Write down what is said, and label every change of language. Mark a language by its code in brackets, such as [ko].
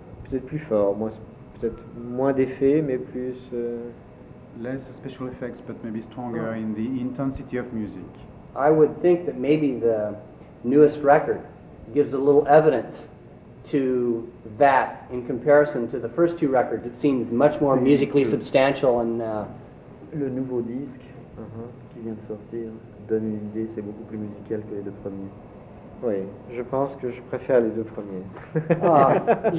[fr] Peut-être plus fort, peut-être moins d'effets, mais plus. [en] Less special effects, but maybe stronger in the intensity of music. I would think that maybe the newest record gives a little evidence to that in comparison to the first two records. It seems much more musically substantial and. [fr] Le nouveau disque qui vient de sortir donne une idée, c'est beaucoup plus musical que les deux premiers. Oui, je pense que je préfère les deux premiers.